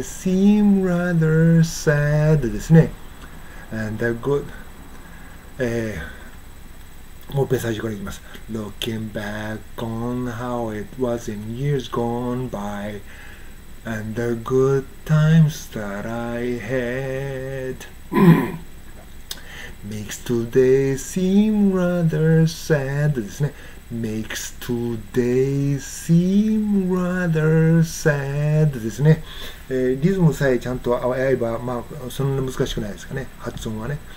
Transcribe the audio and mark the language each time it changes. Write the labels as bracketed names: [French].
[English] Makes today seem rather sad [Japanese] ですね。 [English] And a good、 [Japanese] もう一回最初からいきます。 [English] Looking back on how it was in years gone by And the good times that I had Makes today seem rather sad [Japanese] ですね。 [English] Makes today seem rather sad [Japanese] ですね。リズムさえちゃんと合えば、そんな難しくないですかね、発音はね。